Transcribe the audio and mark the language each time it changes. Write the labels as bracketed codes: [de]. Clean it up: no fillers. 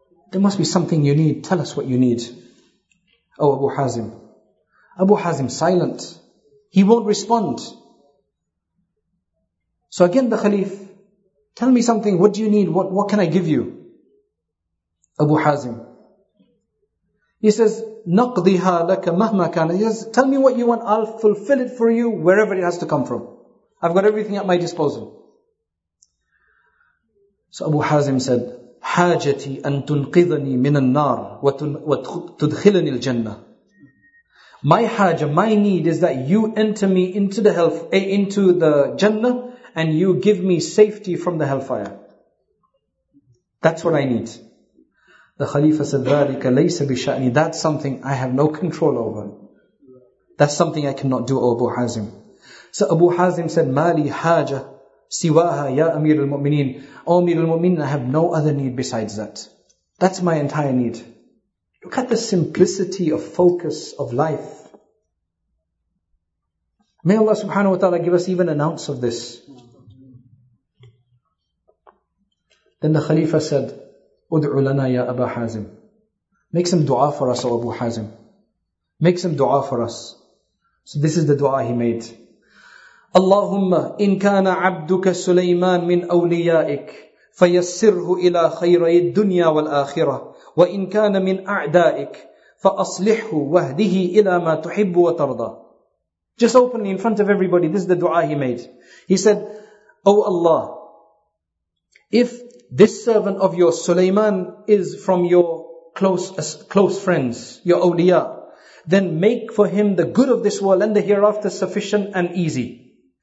[en] There must be something you need. Tell us what you need. Oh, Abu Hazim. Abu Hazim, silent. He won't respond. So again, the Khalif, tell me something. What do you need? What can I give you? Abu Hazim. He says, [ar] نَقْضِهَا لَكَ مَهْمَا كَانَ. [en] He says, tell me what you want. I'll fulfill it for you wherever it has to come from. I've got everything at my disposal. So Abu Hazim said, [ar] حاجتي أن تنقذني من النار وتدخلني الجنة. [en] My haja, my need is that you enter me into the hell, into the Jannah, and you give me safety from the hellfire. That's what I need. The Khalifa said, [ar] ذلك ليس بشأني. [en] That's something I have no control over. That's something I cannot do, Abu Hazim. So Abu Hazim said, [ar] مالي حاجة سواها يا أمير المؤمنين. [en] O Amir al-Mu'minin, I have no other need besides that. That's my entire need. Look at the simplicity of focus of life. May Allah subhanahu wa ta'ala give us even an ounce of this. Then the Khalifa said, [ar] Ud'u lana ya Aba Hazim. [en] Make some dua for us, O Abu Hazim. Make some dua for us. So this is the dua he made. [ar] اللهم إن كان عبدك سليمان من أوليائك فيسره إلى خيري الدنيا والآخرة وإن كان من أعدائك فأصلحه واهده إلى ما تحب وترضى. [en] Just openly in front of everybody, this is the dua he made. He said, O Allah, if this servant of yours, Sulaiman, is from your close friends, your awliya, then make for him the good of this world and the hereafter sufficient and easy.